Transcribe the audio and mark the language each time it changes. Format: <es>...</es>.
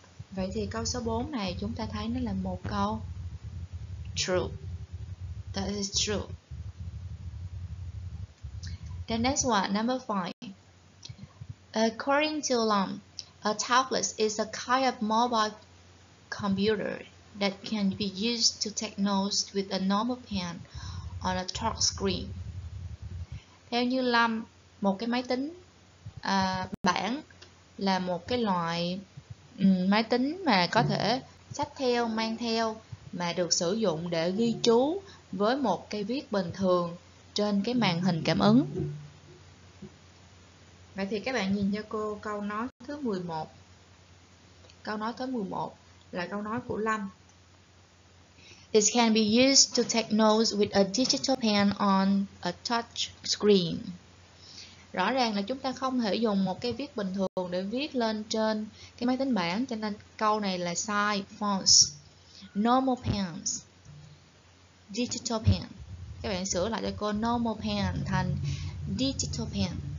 <vi>Vậy thì câu số 4 này chúng ta thấy nó là một câu true.</vi> <en>That is true. The next one, number 5. According to Lam, a tablet is a kind of mobile computer that can be used to take notes with a normal pen on a touch screen.</en> <vi>Theo như Lam, một cái máy tính bảng là một cái loại máy tính mà có thể xách theo, mang theo mà được sử dụng để ghi chú với một cây viết bình thường trên cái màn hình cảm ứng. Vậy thì các bạn nhìn cho cô câu nói thứ 11. câu nói tới 11 là câu nói của Lâm.</vi> <en>This can be used to take notes with a digital pen on a touch screen.</en> <vi>Rõ ràng là chúng ta không thể dùng một cái viết bình thường để viết lên trên cái máy tính bảng, cho nên câu này là sai, false.</vi> <en>Normal pens, digital pen.</en> <vi>Các bạn sửa lại cho cô normal pen thành digital pen.</vi>